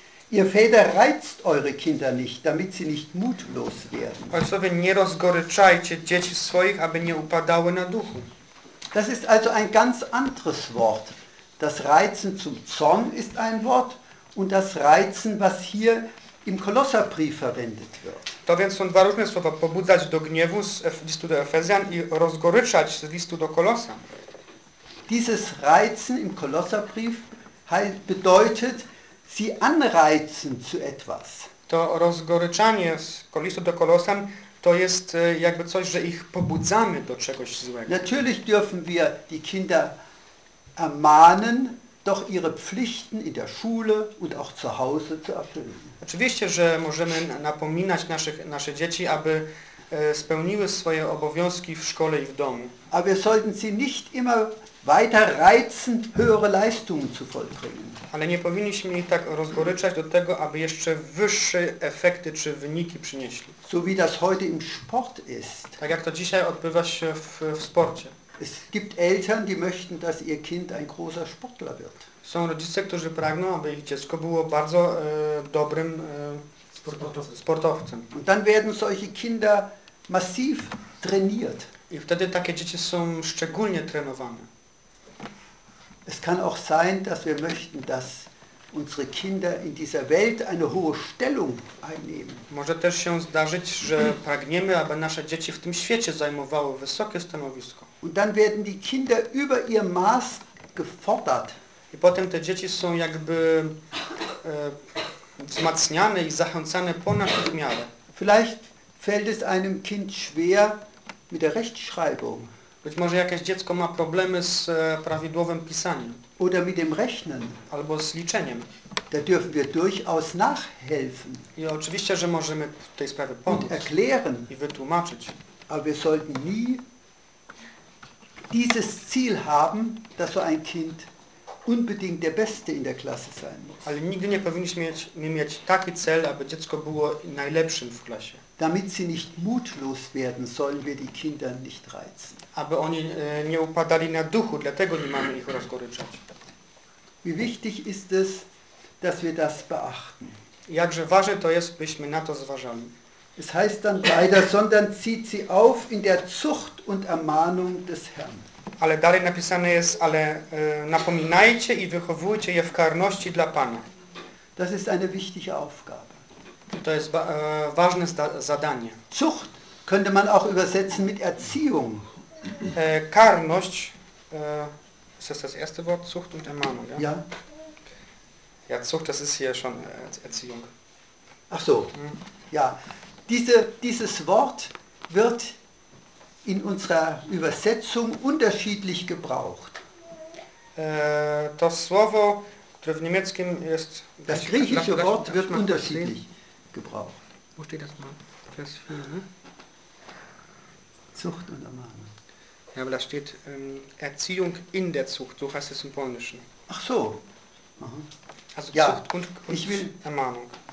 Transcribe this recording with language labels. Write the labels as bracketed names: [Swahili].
[German] Ihr Väter reizt eure Kinder nicht, damit sie nicht mutlos werden. [Polish] Ojcowie, nie rozgoryczajcie dzieci swoich, aby nie upadały na duchu. [German] Das ist also ein ganz anderes Wort. Das Reizen zum Zorn ist ein Wort und das Reizen, was hier im Kolosserbrief verwendet wird. [Polish] To więc są dwa różne słowa, pobudzać do gniewu z listu do Efezjan i rozgoryczać z listu do Kolosa. [German] Dieses Reizen im Kolosserbrief bedeutet, sie anreizen zu etwas. [Polish] To rozgoryczanie z listu do Kolosan to jest jakby coś, że ich pobudzamy do czegoś złego. [German] Natürlich dürfen wir die Kinder ermahnen, doch ihre Pflichten in der Schule und auch zu Hause zu erfüllen. [Polish] Oczywiście, że możemy napominać nasze dzieci, aby spełniły swoje obowiązki w szkole i w domu. [German] Aber wir sollten sie nicht immer weiter reizen, höhere Leistungen zu vollbringen. [Polish] Ale nie powinniśmy ich tak rozgoryczać do tego, aby jeszcze wyższe efekty czy wyniki przynieśli. [German] So wie das heute im Sport ist. [Polish] Tak jak to dzisiaj odbywa się w sporcie. [German] Es gibt Eltern, die möchten, dass ihr Kind ein großer Sportler wird. [Polish] Są rodzice, którzy pragną, aby ich dziecko było bardzo dobrym sportowcem. [German] Und dann werden solche Kinder massiv trainiert. [Polish] I wtedy takie dzieci są szczególnie trenowane. [German] Es kann auch sein, dass wir möchten, dass unsere Kinder in dieser Welt eine hohe Stellung einnehmen. [Polish] Może też się zdarzyć, że pragniemy, aby nasze dzieci w tym świecie zajmowały wysokie stanowisko. [German] Und dann werden die Kinder über ihr Maß gefordert. [Polish] I potem te dzieci są jakby wzmacniane i zachęcane ponad ich miarę. [German] Vielleicht fällt es einem Kind schwer mit der Rechtschreibung. [Polish] Być może jakieś dziecko ma problemy z prawidłowym pisaniem. [German] Oder mit dem Rechnen. [Polish] Albo z liczeniem. [German] Da dürfen wir durchaus nachhelfen. [Polish] I oczywiście, że możemy w tej sprawie pomóc. [German] Und erklären. [Polish] I wytłumaczyć. [German] Aber wir sollten nie dieses Ziel haben, dass so ein Kind unbedingt der Beste in der Klasse sein muss. [Polish] Ale nigdy nie powinniśmy mieć taki cel, aby dziecko było najlepszym w klasie. [German] Damit sie nicht mutlos werden, sollen wir die Kinder nicht reizen. [Polish] Aby oni nie upadali na duchu, dlatego nie mamy ich rozgoryczać. [German] Wie wichtig ist es, dass wir das beachten. [Polish] Jakże ważne to jest, byśmy na to zważali. [German] Es heißt dann weiter, sondern zieht sie auf in der Zucht und Ermahnung des Herrn. [Polish] Ale dalej napisane jest, ale napominajcie i wychowujcie je w karności dla Pana. [German] Das ist eine wichtige Aufgabe. [Polish] To jest ważne zadanie. [German] Zucht könnte man auch übersetzen mit Erziehung. Karność, ist das das erste Wort, Zucht und Ermahnung, ja? Ja. Ja, Zucht, das ist hier schon Erziehung. Ach so, ja. Dieses Wort wird in unserer Übersetzung unterschiedlich gebraucht. [Polish] Das Słowo, które w niemieckim jest... [German] Das griechische Wort wird unterschiedlich gebraucht. Wo steht das mal? Vers 4, ne? Zucht und Ermahnung. Ja, aber da steht Erziehung in der Zucht, so heißt es im Polnischen. Ach so. Aha. Also ja, Zucht und ich will Ermahnung.